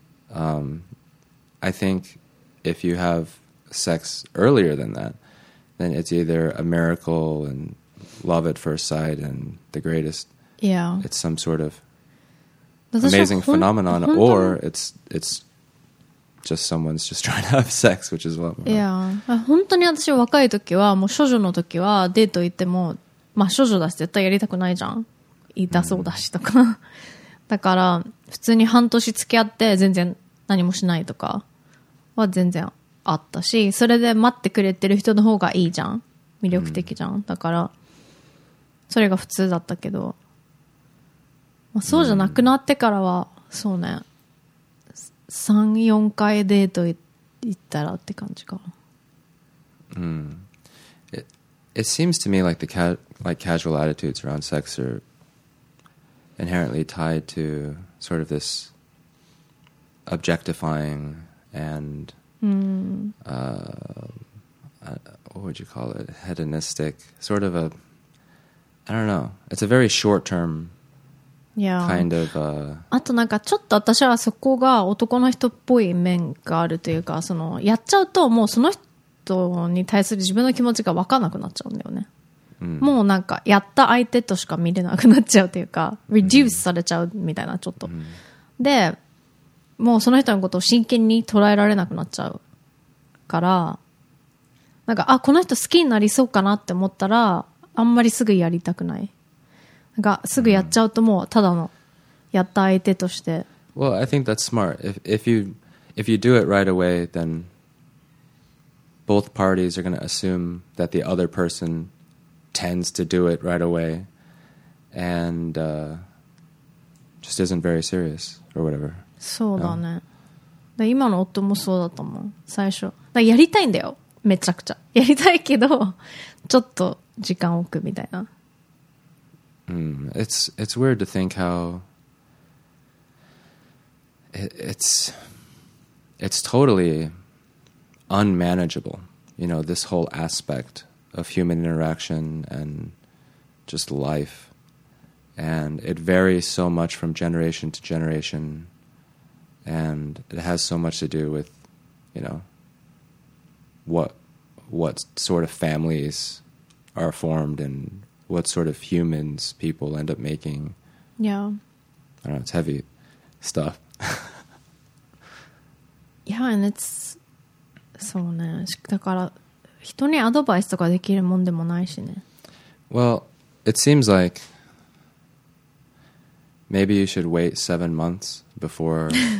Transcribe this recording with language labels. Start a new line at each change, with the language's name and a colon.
English: I think if you have sex earlier than that, then it's either a miracle and love at first sight and the greatest. Yeah. It's some sort of amazing phenomenon, or it's just someone's just trying to have sex, which is what. Yeah.
Japanese: 本当に私は若い時はもう少女の時はデート行っても、まあ、少女だし絶対やりたくないじゃん。言いたそうだしとか。だから普通に半年付き合って全然何もしないとかは全然あったし、それで待ってくれてる人の方がいいじゃん、魅力的じゃん、だからそれが普通だったけど、まあ、そうじゃなくなってからはそうね、3、4回デート行ったらって感じか。
English: It seems to me like casual attitudes around sex are inherently tied to sort of this objectifying and what would you call it, hedonistic sort of a, I don't know, it's a very short term kind of a...
Japanese: あとなんかちょっと私はそこが男の人っぽい面があるというか、そのやっちゃうともうその人に対する自分の気持ちが分かなくなっちゃうんだよね、うん、もうなんかやった相手としか見れなくなっちゃうというか、reduce されちゃうみたいな、ちょっと、うん、でもうその人のことを真剣に捉えられなくなっちゃうから、なんかあこの人好きになりそうかなって思ったらあんまりすぐやりたくない、なんかすぐやっちゃうともうただのやった相手として。
English: Well, I think that's smart. If you do it right away, then both parties are going to assume that the other person tends to do it right away and just isn't very serious or whatever.
Japanese: そうだね。で今の夫もそうだったもん、最初。だからやりたいんだよ、めちゃくちゃ。やりたいけど、ちょっと時間置くみたいな。
English: It's weird to think how it's totally unmanageable, you know, this whole aspect of human interaction and just life. And it varies so much from generation to generation. And it has so much to do with, you know, what sort of families are formed and what sort of humans people end up making. Yeah. I don't know, it's heavy stuff. Yeah, and it's...
Japanese: そうね、だから人にアドバイスとかできるもんでもないしね。
English: Well, it seems like maybe you should wait 7 months before